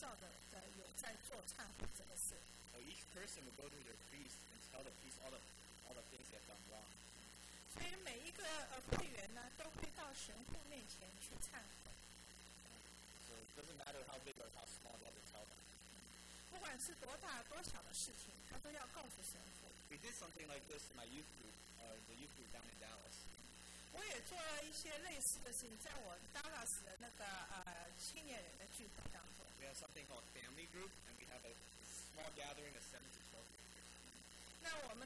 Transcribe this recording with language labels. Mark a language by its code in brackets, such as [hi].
[zh] 也许他们不是完全的做得很对，但是呢，他们还是照着有在做忏悔这个事。 [en] So each person will go to their priest and tell the priest all the things they've done wrong. [zh] 所以每一个会员呢，都会到神父面前去忏悔。 [en] So it doesn't matter how big or how small they have to tell them. [zh] 不管是多大多小的事情，他都要告诉神父。 [en] We did something like this in my youth group, the youth group down in Dallas. [zh] 我也做了一些类似的事情，在我Dallas的那个青年人的聚会当中。 [en] We have something called family group, and we have a small gathering of 7 to 12 people.